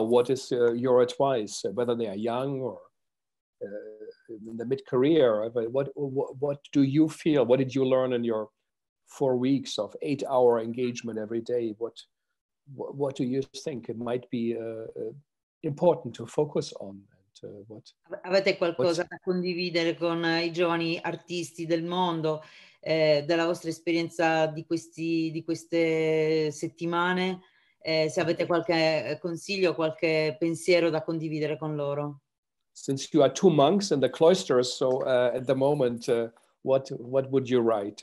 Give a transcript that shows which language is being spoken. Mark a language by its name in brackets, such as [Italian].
[English] What is your advice, whether they are young or in the mid-career? What do you feel? What did you learn in your 4 weeks of 8-hour engagement every day? What do you think it might be important to focus on? [Italian] Avete qualcosa da condividere con i giovani artisti del mondo, della vostra esperienza di queste settimane? Se avete qualche consiglio, qualche pensiero da condividere con loro? [English] Since you are two monks in the cloisters, so at the moment, what would you write?